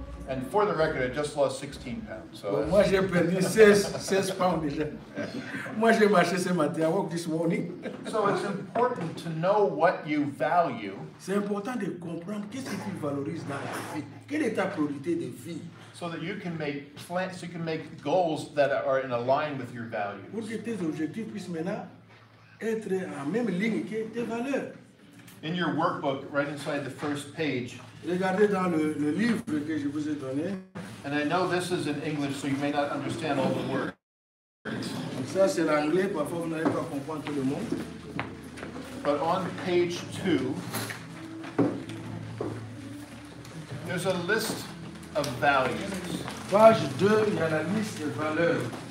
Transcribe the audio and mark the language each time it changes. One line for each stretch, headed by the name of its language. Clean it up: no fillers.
English: And for the record, I just lost 16 pounds. So
French: bon, moi, j'ai perdu 16 pounds déjà. Moi, j'ai marché ce matin.
English: I walked this morning. So it's important to know what you value.
French: C'est important de comprendre qu'est-ce que tu valorises dans la vie. Quelle est ta priorité de vie?
English: So that you can make plans, so you can make goals that are in line with your values.
French: Pour que tes objectifs puissent maintenant être en même ligne que tes valeurs.
English: In your workbook, right inside the first page.
French: Regardez dans le livre que je vous ai donné.
English: And I know this is in English, so you may not understand all the words.
French: Ça c'est l'anglais, parfois vous n'allez pas comprendre tout le monde.
English: But on page 2, there's a list of values.
French: Page 2, il y a la liste des valeurs.